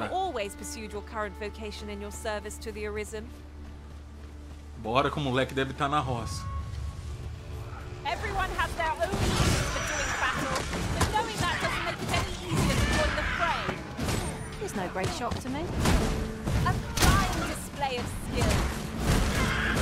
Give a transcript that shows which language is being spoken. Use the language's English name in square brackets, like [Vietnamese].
[English] Have you always pursued your current vocation in your service to the Arisen? [Portuguese] Bora, como o moleque deve estar na roça. [English] Everyone has their own reasons for doing battle, but knowing that doesn't make it any easier to join the fray. There's no great shock to me. A fine display of skill.